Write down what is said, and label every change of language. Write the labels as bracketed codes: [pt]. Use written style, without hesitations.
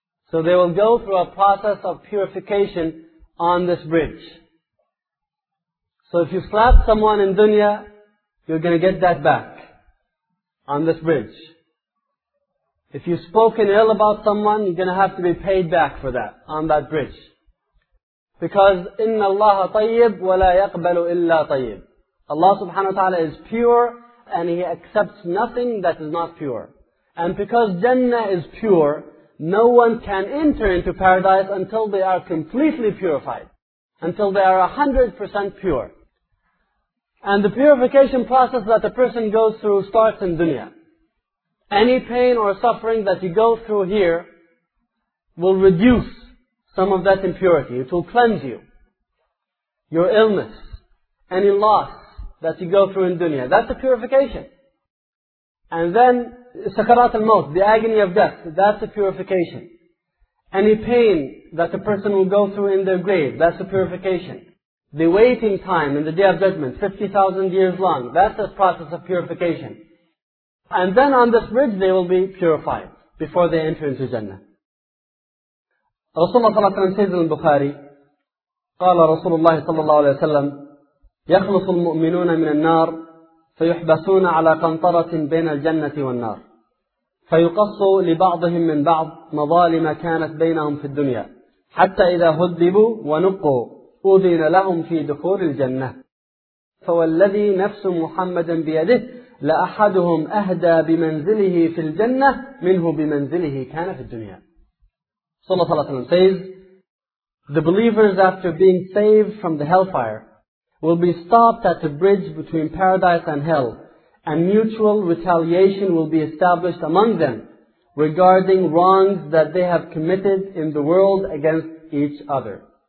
[en] So they will go through a process of purification on this bridge. So if you slap someone in dunya, you're going to get that back on this bridge. If you've spoken ill about someone, you're going to have to be paid back for that on that bridge. Because [ar] إِنَّ اللَّهَ طَيِّبُ وَلَا يَقْبَلُ إِلَّا طَيِّبُ. [en] Allah subhanahu wa ta'ala is pure and He accepts nothing that is not pure. And because Jannah is pure, no one can enter into paradise until they are completely purified. Until they are 100% pure. And the purification process that a person goes through starts in dunya. Any pain or suffering that you go through here will reduce some of that impurity. It will cleanse you. Your illness, any loss that you go through in dunya, that's a purification. And then sakarat al-maut, the agony of death, that's a purification. Any pain that a person will go through in their grave, that's a purification. The waiting time in the Day of Judgment, 50,000 years long, that's a process of purification. And then on this bridge they will be purified before they enter into Jannah. Rasulullah sallallahu alayhi wa sallam says in Bukhari, [ar] قال رسول الله صلى الله عليه وسلم يخلص المؤمنون من النار فيحبسون على قنطرة بين الجنة والنار فيقص لبعضهم من بعض مظالم كانت بينهم في الدنيا حتى إذا هذبوا ونقوا أذن لهم في دخول الجنة فوالذي نفس محمد بيده لأحدهم أهدى بمنزله في الجنة منه بمنزله كان في الدنيا. [en] Sallallahu Alaihi Wasallam says, the believers after being saved from the hellfire will be stopped at the bridge between paradise and hell, and mutual retaliation will be established among them regarding wrongs that they have committed in the world against each other.